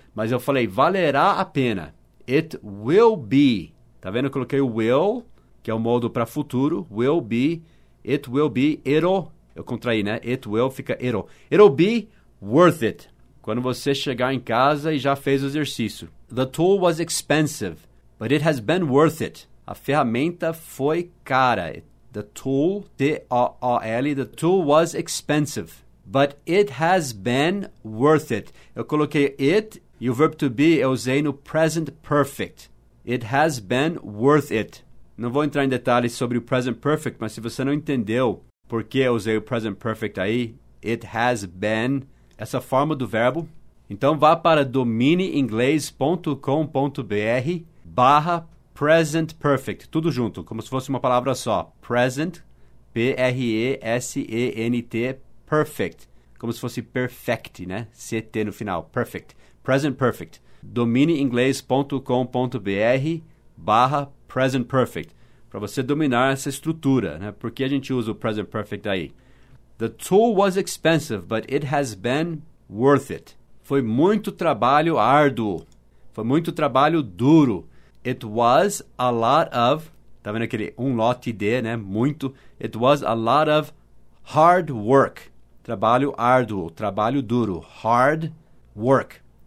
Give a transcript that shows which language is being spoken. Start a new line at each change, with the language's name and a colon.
Portuguese: Mas eu falei, valerá a pena.
English: It will be.
Portuguese: Tá vendo? Eu coloquei o will, que é o modo para futuro.
English: Will be. It will be. It'll.
Portuguese: Eu contraí, né?
English: It will fica it'll. It'll be worth it.
Portuguese: Quando você chegar em casa e já fez o exercício.
English: The tool was expensive, but it has been worth it.
Portuguese: A ferramenta foi cara.
English: The tool, T-O-O-L, the tool was expensive, but it has been worth it.
Portuguese: Eu coloquei it. E o verbo to be eu usei no present perfect.
English: It has been worth it.
Portuguese: Não vou entrar em detalhes sobre o present perfect, mas se você não entendeu por que eu usei o present perfect aí,
English: it has been,
Portuguese: essa forma do verbo, então vá para domineinglês.com.br/present perfect, tudo junto, como se fosse uma palavra só. Present, P-R-E-S-E-N-T, perfect, como se fosse perfect, né? C-T no final, perfect. Present Perfect, domineinglês.com.br/present perfect, para você dominar essa estrutura, né? Por que a gente usa o Present Perfect aí?
English: The tool was expensive, but it has been worth it.
Portuguese: Foi muito trabalho árduo, foi muito trabalho duro.
English: It was a lot of,
Portuguese: tá vendo aquele um lote de, né? Muito.
English: It was a lot of hard work,
Portuguese: trabalho árduo, trabalho duro,
English: hard work.